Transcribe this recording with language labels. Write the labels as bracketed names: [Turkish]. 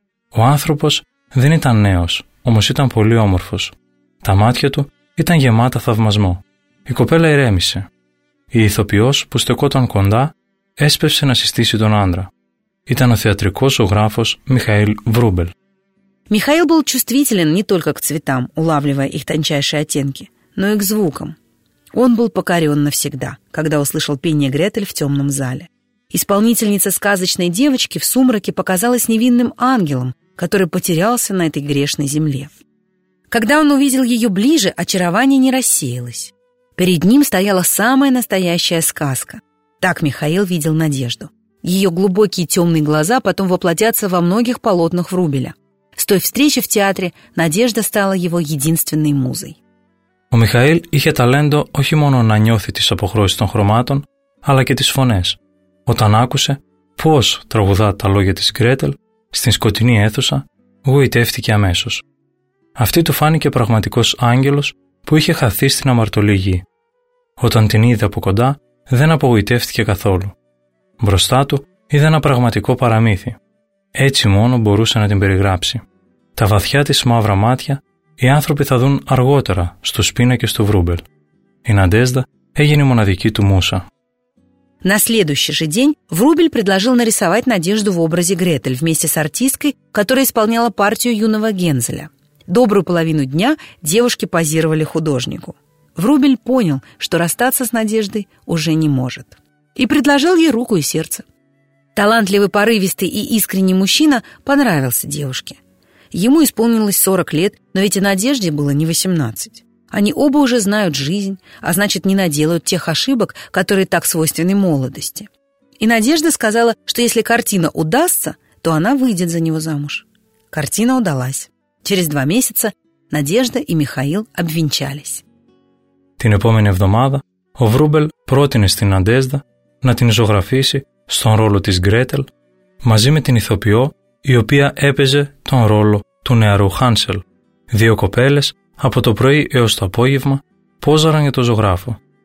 [Greek] Ο άνθρωπος δεν ήταν νέος, όμως ήταν πολύ όμορφος. Τα μάτια του ήταν γεμάτα θαυμασμό. Η κοπέλα ηρέμησε. Η ηθοποιός που στεκόταν κοντά έσπευσε να συστήσει τον άντρα. Ήταν ο θεατρικός ζωγράφος Μιχαήλ Βρούμπελ. [Russian] Михаил был чувствителен не только к цветам, улавливая их тончайшие оттенки, но и к звукам. Он был покорен навсегда, когда услышал пение Гретель в темном зале. Исполнительница сказочной девочки в сумраке показалась невинным ангелом, который потерялся на этой грешной земле. Когда он увидел ее ближе, очарование не рассеялось. Перед ним стояла самая настоящая сказка. Так Михаил видел Надежду. Ее глубокие темные глаза потом воплотятся во многих полотнах Врубеля. С той встречи в театре Надежда стала его единственной музой. [Greek] Ο Михαήλ είχε ταλέντο όχι μόνο να νιώθει τις αποχρώσεις των χρωμάτων, αλλά και τις φωνές. Όταν άκουσε πώς τραγουδά τα λόγια της Gretel στην σκοτεινή αίθουσα, γοητεύτηκε αμέσως. Αυτή του φάνηκε πραγματικός άγγελος που είχε χαθεί στην αμαρτωλή γη. Όταν την είδε από κοντά, δεν απογοητεύτηκε καθόλου. Μπροστά του είδε ένα πραγματικό παραμύθι. Έτσι μόνο μπορούσε να την περιγράψει. Τα βαθιά της μαύρα μάτια οι άνθρωποι θα δουν αργότερα στους πίνακες του Βρούμπελ. Η Ναντέζδα έγινε η μοναδική του μούσα. [Russian] На следующий же день Врубель предложил нарисовать Надежду в образе Гретель вместе с артисткой, которая исполняла партию юного Гензеля. Добрую половину дня девушки позировали художнику. Врубель понял, что расстаться с Надеждой уже не может. И предложил ей руку и сердце. Талантливый, порывистый и искренний мужчина понравился девушке. Ему исполнилось 40 лет, но ведь и Надежде было не 18. Они оба уже знают жизнь, а значит, не наделают тех ошибок, которые так свойственны молодости. И Надежда сказала, что если картина удастся, то она выйдет за него замуж. Картина удалась. Через 2 месяца Надежда и Михаил обвенчались. [Greek] Την επόμενη εβδομάδα ο Βρούμπελ πρότεινε στην Надежда να την ζωγραφίσει στον ρόλο της Gretel μαζί με την ηθοποιό η οποία έπαιζε τον ρόλο του νεαρού Hansel. 2 κοπέλες από το πρωί έως το απόγευμα πόζαραν για τον ζωγράφο.